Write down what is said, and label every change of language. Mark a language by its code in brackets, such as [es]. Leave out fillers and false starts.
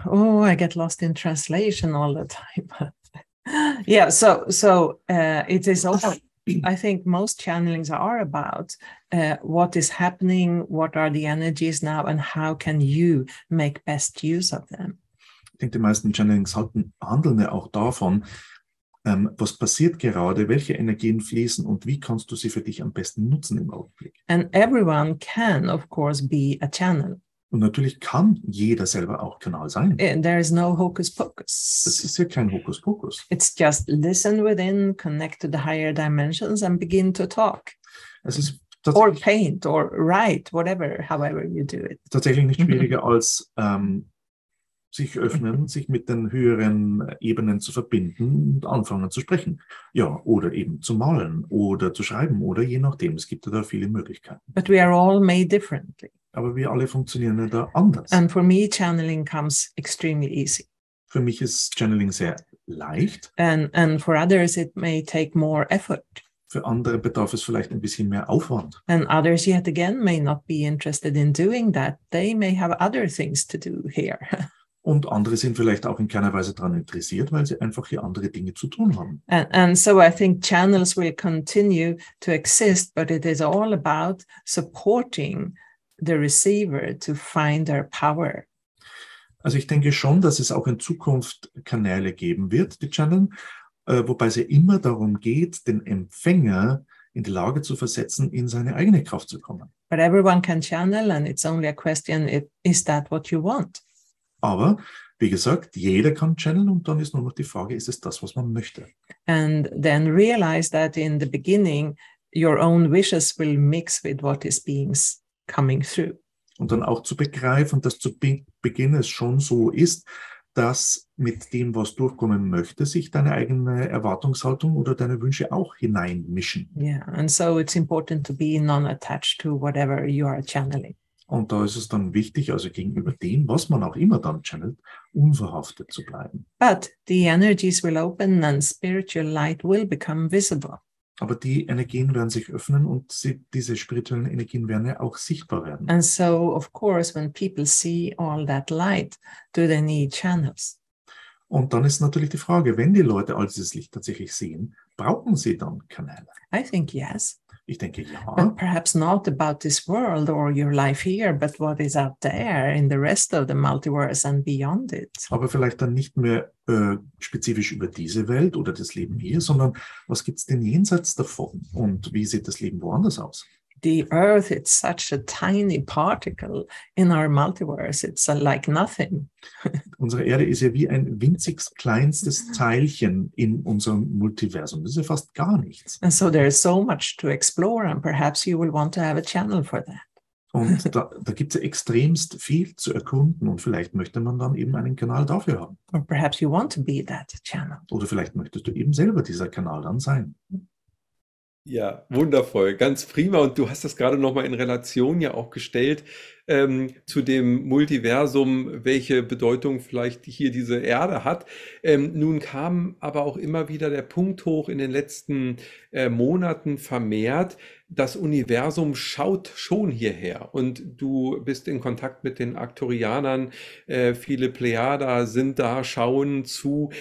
[en] Oh, I get lost in translation all the time. Yeah, so it is also... I think most channelings are about what is happening, what are the energies now, and how can you make best use of them. [de] Ich denke, die meisten Channelings handeln ja auch davon, was passiert gerade, welche Energien fließen und wie kannst du sie für dich am besten nutzen im Augenblick. [en] And everyone can, of course, be a channel. [de] Und natürlich kann jeder selber auch Kanal sein. [en] There is no hocus pocus. [de] Das ist ja kein Hocus Pocus. [en] It's just listen within, connect to the higher dimensions and begin to talk. [de] Es ist [en] or paint or write, whatever, however you do it. [de] Tatsächlich nicht schwieriger als sich öffnen, sich mit den höheren Ebenen zu verbinden und anfangen zu sprechen. Ja, oder eben zu malen oder zu schreiben oder je nachdem. Es gibt da viele Möglichkeiten. [en] But we are all made differently. [de] Aber wir alle funktionieren ja da anders. [en] And for me, channeling comes extremely easy. [de] Für mich ist Channeling sehr leicht. [en] And for others it may take more effort. Für andere bedarf es vielleicht ein bisschen mehr Aufwand. And others yet again may not be interested in doing that. They may have other things to do here. [de] Und andere sind vielleicht auch in keiner Weise daran interessiert, weil sie einfach hier andere Dinge zu tun haben. [en] And so I think channels will continue to exist, but it is all about supporting the receiver to find their power. [de] Also ich denke schon, dass es auch in Zukunft Kanäle geben wird, die channeln, wobei es ja immer darum geht, den Empfänger in die Lage zu versetzen, in seine eigene Kraft zu kommen. [en] But everyone can channel and it's only a question, is that what you want? [de] Aber wie gesagt, jeder kann channeln und dann ist nur noch die Frage, ist es das, was man möchte? [en] And then realize that in the beginning your own wishes will mix with what is being coming through. [de] Und dann auch zu begreifen, dass zu Beginn es schon so ist, dass mit dem, was durchkommen möchte, sich deine eigene Erwartungshaltung oder deine Wünsche auch hineinmischen. [en] Yeah, and so it's important to be non-attached to whatever you are channeling. [de] Und da ist es dann wichtig, also gegenüber dem, was man auch immer dann channelt, unverhaftet zu bleiben. [en] But the energies will open and spiritual light will become visible. [de] Aber die Energien werden sich öffnen und diese spirituellen Energien werden ja auch sichtbar werden. [en] And so, of course, when people see all that light, do they need channels? [de] Und dann ist natürlich die Frage, wenn die Leute all dieses Licht tatsächlich sehen, brauchen sie dann Kanäle? [en] I think yes. [de] Ich denke ja. [en] But perhaps not about this world or your life here, but what is out there in the rest of the multiverse and beyond it. [de] Aber vielleicht dann nicht mehr spezifisch über diese Welt oder das Leben hier, sondern was gibt's denn jenseits davon und wie sieht das Leben woanders aus? [en] The Earth is such a tiny particle in our multiverse. It's like nothing. [de] Unsere Erde ist ja wie ein winzig kleinstes Teilchen in unserem Multiversum. Das ist ja fast gar nichts. [en] And so there is so much to explore and perhaps you will want to have a channel for that. [de] Und da gibt es ja extremst viel zu erkunden und vielleicht möchte man dann eben einen Kanal dafür haben. [en] Or perhaps you want to be that channel. [de] Oder vielleicht möchtest du eben selber dieser Kanal dann sein. Ja, wundervoll, ganz prima. Und du hast das gerade nochmal in Relation ja auch gestellt zu dem Multiversum, welche Bedeutung vielleicht hier diese Erde hat. Nun kam aber auch immer wieder der Punkt hoch in den letzten Monaten vermehrt, das Universum schaut schon hierher und du bist in Kontakt mit den Arcturianern, viele Plejader sind da, schauen zu.